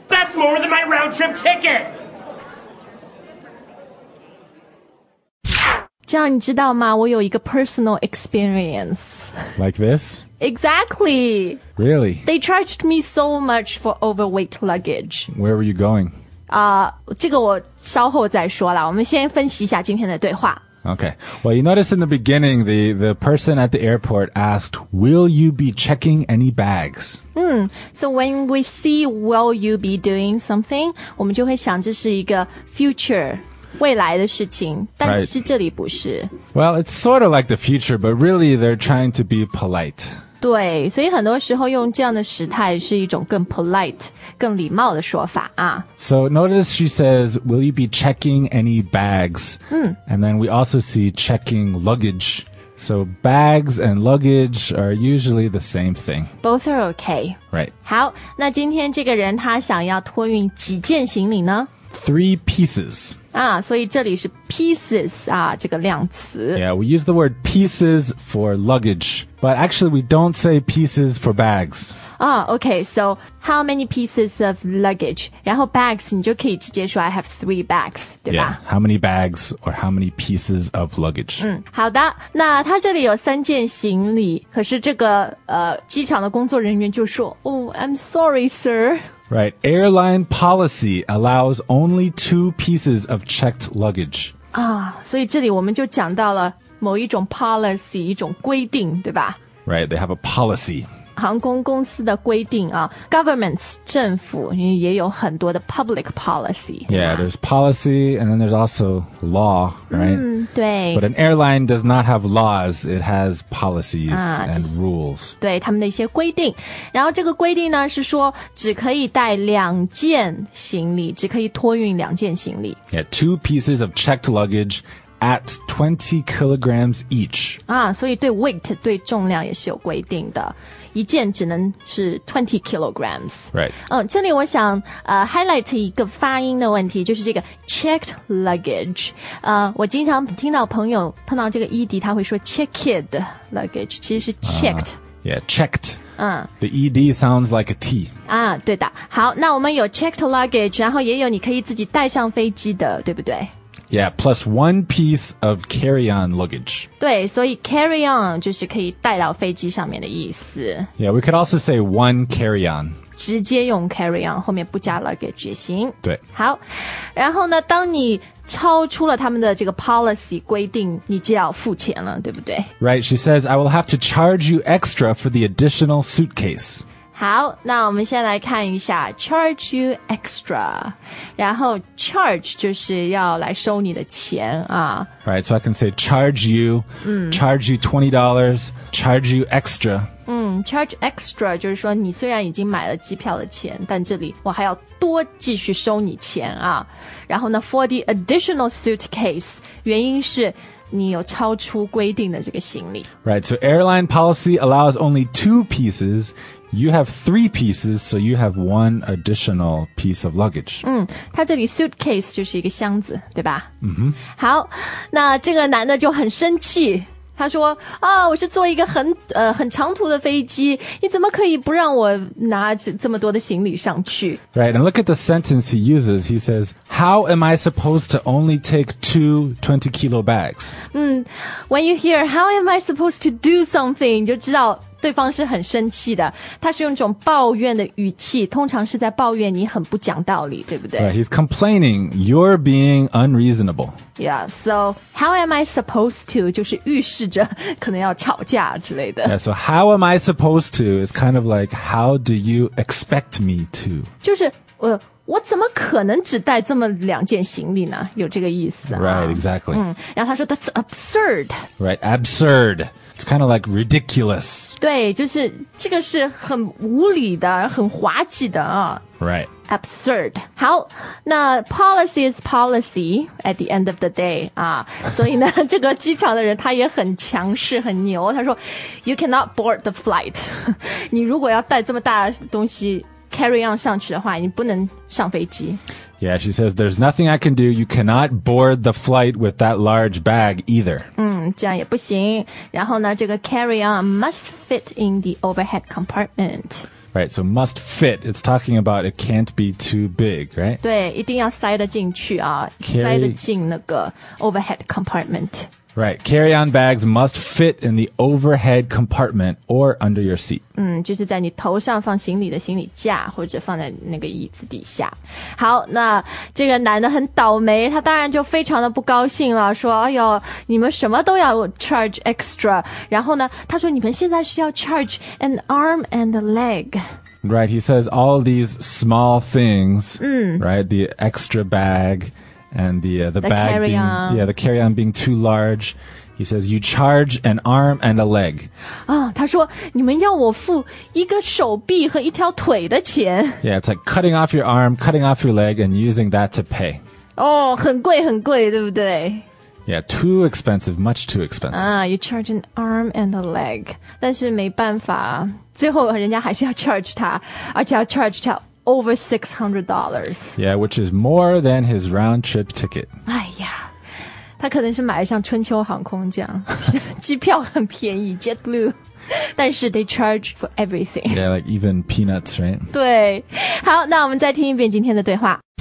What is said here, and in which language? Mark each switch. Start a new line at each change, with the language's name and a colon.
English: That's more than my round-trip ticket!
Chinese: 这样你知道吗？我有一个
English: personal experience. Like this? Exactly. Really? They charged me so much for overweight luggage. Where were you going?
Chinese: 这个我稍后再说了。我们先分析一下今天的对话。
English: Okay. Well, you notice in the beginning, the person at the airport asked, will you be checking any bags? So when we see, will you be doing something?
Chinese: 我们就会想这是一个 future. 未来的事情但其实这里不是、
English: right. Well, it's sort of like the future, but really they're trying to be polite.
Chinese: 对所以很多时候用这样的时态是一种更 polite, 更礼貌的说法啊。
English: So notice she says, will you be checking any bags?、And then we also see checking luggage. So bags and luggage are usually the same thing. Both are okay. Right.
Chinese: 好那今天这个人他想要托运几件行李呢
English: 3 pieces.
Chinese: 所以这里是 pieces, 这个量词。
English: Yeah, we use the word pieces for luggage, but actually we don't say pieces for bags. Okay, so how many pieces of luggage?
Chinese: 然后 bags, 你就可以直接说
English: I have 3 bags,
Chinese: 对吧
English: Yeah, how many bags or how many pieces of luggage?
Chinese: 好的那他这里有三件行李可是这个机场的工作人员就说
English: Oh, I'm sorry, sir. Right, airline policy allows only 2 pieces of checked luggage.
Chinese: 所以这里我们就讲到了某一种 policy, 一种规定,对吧?
English: Right, they have a policy.
Chinese: 航空公司的规定啊 governments, 政府也有很多的 public policy.
English: Yeah, there's policy and then there's also law, right?
Chinese: 对。
English: But an airline does not have laws, it has policies and rules.
Chinese: 对,他们的一些规定。然后这个规定呢是说只可以带两件行李,只可以托运两件行李。
English: Yeah, 2 pieces of checked luggage at 20 kilograms each.
Chinese: 所以对 weight, 对重量也是有规定的。一件只能是 20 kilograms.
English: Right.
Chinese: 这里我想highlight 一个发音的问题就是这个
English: checked luggage.
Chinese: 我经常听到朋友碰到这个 ED, 他会说
English: checked luggage,
Chinese: 其实是 checked.
English: Yeah, checked. The ED sounds like a T.
Chinese: 对的。好那我们有
English: checked luggage,
Chinese: 然后也有你可以自己带上飞机的对不对
English: Yeah, plus 1 piece of carry-on luggage.
Chinese: 对,所以 carry-on 就是可以带到飞机上面的意思。
English: Yeah, we could also say 1 carry-on.
Chinese: 直接用 carry-on, 后面不加 luggage 也行。对。好,然后呢,当你超出了他们的这个 policy 规定,你就要付钱了,对不对?
English: Right, she says, I will have to charge you extra for the additional suitcase.
Chinese: 好那我们先来看一下
English: charge you extra
Chinese: 然后 charge 就是要来收你的钱啊
English: Right, so I can say charge you, charge you $20, charge you extra.
Chinese: charge extra 就是说你虽然已经买了机票的钱，但这里我还要多继续收你钱啊。然后呢
English: for the additional suitcase，
Chinese: 原因是你有超出规定的这个行李。
English: Right, so airline policy allows only two pieces. You have three pieces, so you have one additional piece of luggage.
Chinese: 他这里 suitcase 就是一个箱子，对吧？嗯哼。好，那这个男的就很生气，他说啊，我是坐一个很长途的飞机，你怎么可以不让我拿这么多的行李上去？
English: Right, and look at the sentence he uses. He says, how am I supposed to only take two 20 kilo bags? When you hear, how am I supposed to do something,
Chinese: 你就知道对方是很生气的。他是用一种抱怨的语气，通常是在抱怨你很不讲道理，对不对？
English: Right, he's complaining, you're being unreasonable. Yeah, so how am I supposed to?
Chinese: 就是预示着可能要吵架之类的。
English: Yeah, so how am I supposed to? It's kind of like, how do you expect me to?
Chinese: 就是我怎么可能只带这么两件行李呢？有这个意思啊。
English: Right, exactly.
Chinese: 然后他说
English: that's absurd. Right, absurd. It's kind of like ridiculous.
Chinese: 对，就是这个是很无理的，很滑稽的啊。
English: Right. Absurd. 好，那 policy is policy at the end of the day.
Chinese: 啊，所以呢，这个机场的人他也很强势，很牛。他说
English: ，You cannot board the flight.
Chinese: 你如果要带这么大的东西 carry on 上去的话，你不能上飞机。
English: Yeah, she says, there's nothing I can do. You cannot board the flight with that large bag either.
Chinese: 这样也不行。然后呢，这个
English: carry on must fit in the overhead compartment. Right, so must fit. It's talking about it can't be too big, right?
Chinese: 对，一定要塞得进去啊
English: carry,
Chinese: 塞得进那个 overhead compartment.
English: Right, carry-on bags must fit in the overhead compartment or under your seat.
Chinese: 就是在你头上放行李的行李架或者放在那个椅子底下。好，那这个男的很倒霉，他当然就非常的不高兴了，说哎呦，你们什么都要
English: charge extra.
Chinese: 然后呢，他说你们现在是要
English: charge an arm and a leg. Right, he says all these small things, right, the extra bag and the bag carry-on. Being, the carry-on being too large. He says you charge an arm and a leg.
Chinese: 他说你们要我付一个手臂和一条腿的钱。
English: Yeah, it's like cutting off your arm, cutting off your leg and using that to pay.
Chinese: 很贵很贵，对不对？
English: Yeah, too expensive, much too expensive. You charge an arm and a leg.
Chinese: 但是没办法，最后人家还是要 charge 他，而且要 charge 他
English: over $600. Yeah, which is more than his round trip ticket.
Chinese: 哎呀，他可能是买了像春秋航空这样，机票很便宜 ,JetBlue. 但是
English: they charge for everything. Yeah, like even peanuts, right?
Chinese: 对。好，那我们再听一遍今天的对话。